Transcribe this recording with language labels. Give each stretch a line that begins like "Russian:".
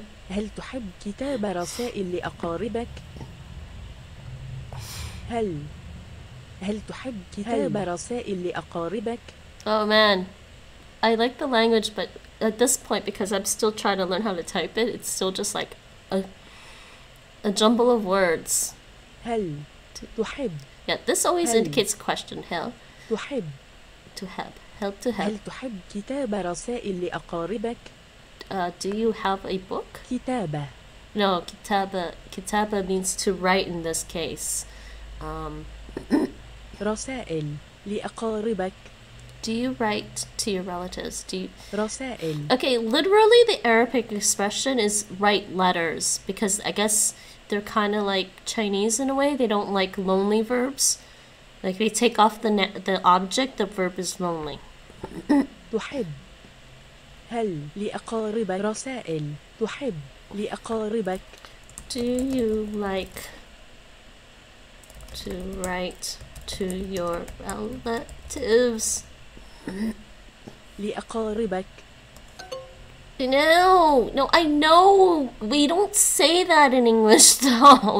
Arabic: هل تحب كتابة رسائل لأقاربك؟ هل هل تحب كتابة رسائل لأقاربك؟
English: Oh man, I like the language, but at this point, because I'm still trying to learn how to type it, it's still just like a jumble of words.
Arabic: هل تحب؟
English: Yeah, this always indicates a question. هل
Arabic: تحب؟
English: To have. هل تحب؟
Arabic: هل تحب كتابة رسائل لأقاربك؟
English: Do you have a book?
Arabic: كتابة.
English: No, كتابة. كتابة means to write in this case.
Arabic: رسائل لأقاربك.
English: Do you write to your relatives? Do you...
Arabic: رسائل.
English: Okay, literally the Arabic expression is write letters, because I guess they're kind of like Chinese in a way. They don't like lonely verbs. Like, if you take off the object, the verb is lonely.
Arabic: تحب هل لأقاربك رسائل؟ تحب لأقاربك؟
English: Do you like to write to your relatives?
Arabic: لأقاربك.
English: No, I know we don't say that in English though.